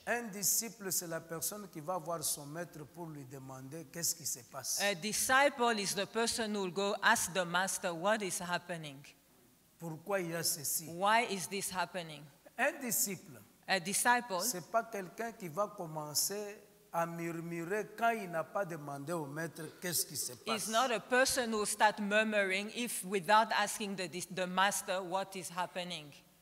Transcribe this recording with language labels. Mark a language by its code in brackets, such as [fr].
[fr] Un disciple, c'est la personne qui va voir son maître pour lui demander qu'est-ce qui se passe. [en] A disciple is the person who will go ask the master what is happening. [fr] Pourquoi il y a ceci? [en] Why is this happening? [fr] Un disciple. [en] A disciple. [fr] C'est pas quelqu'un qui va commencer à murmurer quand il n'a pas demandé au maître qu'est-ce qui se passe. [en] It's not a person who will start murmuring if without asking the master what is happening.